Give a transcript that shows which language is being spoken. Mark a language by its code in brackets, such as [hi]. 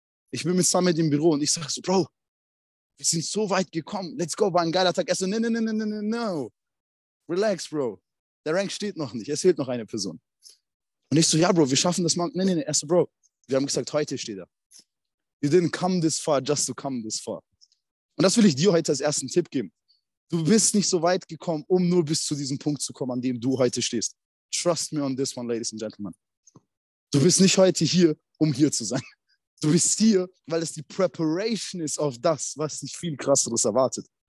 [de] Ich bin mit Summit im Büro und ich sage so, Bro, wir sind so weit gekommen. [en] Let's go, [de] war ein geiler Tag. Er so, no. Relax, Bro. Der Rank steht noch nicht. Es fehlt noch eine Person. Und ich so, ja, Bro, wir schaffen das mal. Nee. Er so, Bro, wir haben gesagt, heute steht er. [en] You didn't come this far just to come this far. [de] Und das will ich dir heute als ersten Tipp geben. Du bist nicht so weit gekommen, um nur bis zu diesem Punkt zu kommen, an dem du heute stehst. [en] Trust me on this one, ladies and gentlemen. [de] Du bist nicht heute hier, um hier zu sein. Du bist hier, weil es die Preparation ist auf das, was dich viel krasseres erwartet.